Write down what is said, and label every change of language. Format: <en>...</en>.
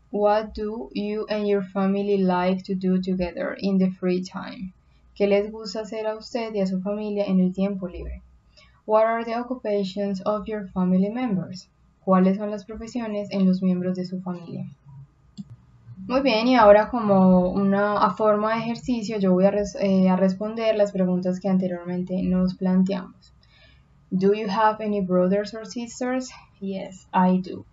<en>What do you and your family like to do together in the free time?</en> <es>¿Qué les gusta hacer a usted y a su familia en el tiempo libre?</es> <en>What are the occupations of your family members?</en> <es>¿Cuáles son las profesiones en los miembros de su familia? Muy bien, y ahora como una forma de ejercicio, yo voy a responder las preguntas que anteriormente nos planteamos.</es> <en>Do you have any brothers or sisters? Yes, I do.</en>